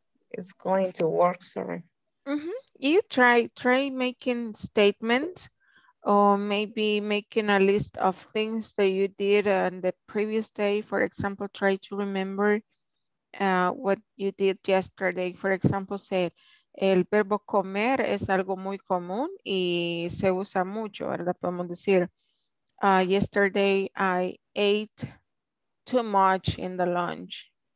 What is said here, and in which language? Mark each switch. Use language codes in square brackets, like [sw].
[en] It's going to work, sorry. Mm-hmm. You try making statements. Or maybe making a list of things that you did on the previous day. For example, try to remember what you did yesterday. For example, say, [es] el verbo comer es algo muy común y se usa mucho, ¿verdad? Podemos decir, [en] yesterday I ate too much in the lunch.